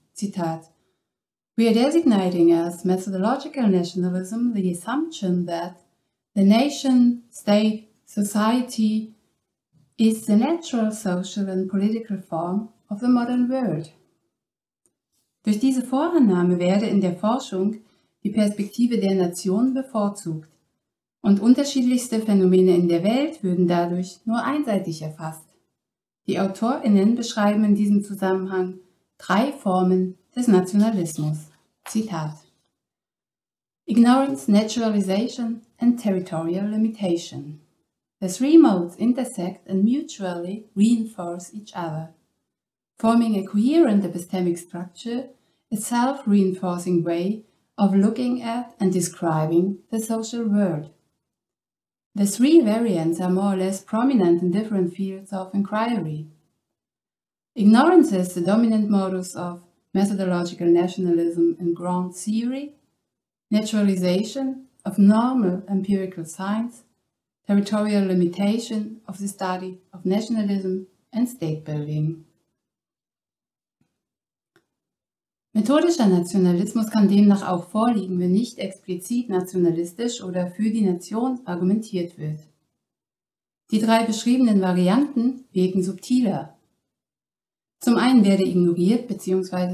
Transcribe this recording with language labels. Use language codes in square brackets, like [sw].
[en] Zitat: "We are designating as methodological nationalism the assumption that the nation, state, society is the natural social and political form of the modern world." [de] Durch diese Vorannahme werde in der Forschung die Perspektive der Nation bevorzugt und unterschiedlichste Phänomene in der Welt würden dadurch nur einseitig erfasst. Die AutorInnen beschreiben in diesem Zusammenhang drei Formen des Nationalismus. [en] Zitat: "Ignorance, Naturalization and Territorial Limitation. The three modes intersect and mutually reinforce each other, forming a coherent epistemic structure, a self-reinforcing way of looking at and describing the social world. The three variants are more or less prominent in different fields of inquiry. Ignorance is the dominant modus of methodological nationalism in grand theory, naturalization of normal empirical science, territorial limitation of the study of nationalism and state building." [de] Methodischer Nationalismus kann demnach auch vorliegen, wenn nicht explizit nationalistisch oder für die Nation argumentiert wird. Die drei beschriebenen Varianten wirken subtiler. Zum einen werde ignoriert bzw.